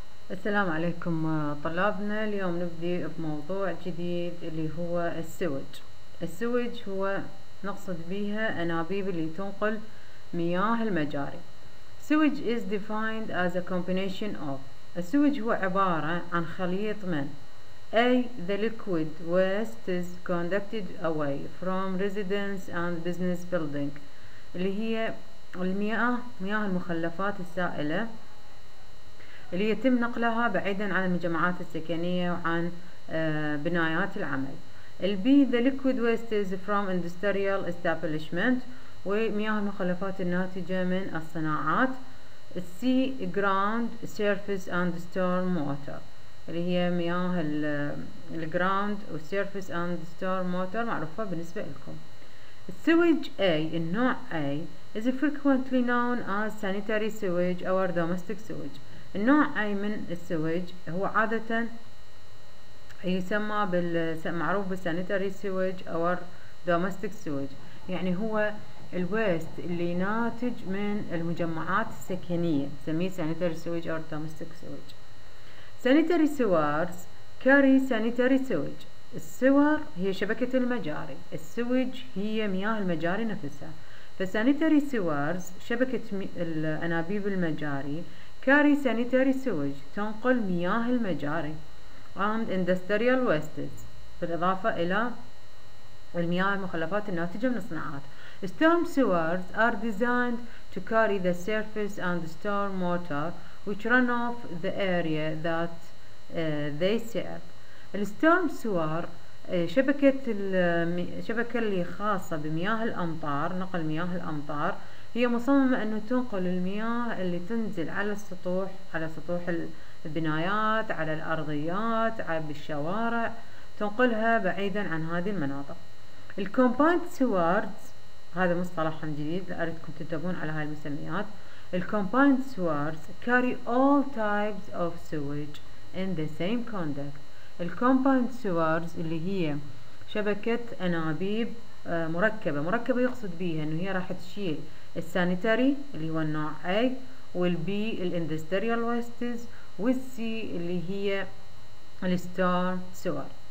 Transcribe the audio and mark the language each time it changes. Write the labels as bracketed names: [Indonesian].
[Arabic] السلام عليكم طلابنا، اليوم نبدي بموضوع جديد اللي هو السوج. السوج هو نقصد بها أنابيب اللي تنقل مياه المجاري. [English] Sewage is defined as a combination of. [Arabic] السوج هو عبارة عن خليط من A. [English] The liquid waste is conducted away from residence and business building. [Arabic] اللي هي مياه المخلفات السائلة اللي يتم نقلها بعيدا عن المجمعات السكنية وعن بنايات العمل. [English] البي the liquid waste is from industrial establishment، [Arabic] ومياه المخلفات الناتجة من الصناعات. [English] السي ground surface and storm water، [Arabic] اللي هي مياه ال [English] ground surface and storm water معروفة بالنسبة لكم. Sewage A، النوع A is frequently known as sanitary sewage or domestic sewage. [Arabic] النوع أي من السويج هو عادة يسمى معروف بالسانيتاري سويج أو دوماستيك سويج، يعني هو الويست اللي ناتج من المجمعات السكنية سميه سانيتاري سويج أو دوماستيك سويج. سانيتاري سوارز كاري سانيتاري سويج. السوار هي شبكة المجاري، السويج هي مياه المجاري نفسها. فسانيتاري سوارز شبكة الأنابيب المجاري، كاري سانيتاري سويج تنقل مياه المجاري [English] and industrial wastes [Arabic] بالإضافة إلى المياه المخلفات الناتجة من الصناعات. [English] Storm sewers are designed to carry the surface and storm water which run off the area that they serve. [Arabic] الستورم سوار شبكة اللي خاصة بمياه الأمطار، نقل مياه الأمطار، هي مصممة أنه تنقل المياه اللي تنزل على السطوح، على سطوح البنايات، على الأرضيات، على الشوارع، تنقلها بعيدا عن هذه المناطق. الكومباوند سوارز، هذا مصطلح جديد أريدكم تنتبهون على هاي المسميات. [English] الكومباوند sewers carry all types of sewage in the same conduct. [Arabic] الكومباوند سوارز اللي هي شبكة أنابيب مركبة، مركبة يقصد بيها أنه هي راح تشيل السانيتاري اللي هو النوع A، والبي الاندستريال ويستز، والسي اللي هي الستار سوار.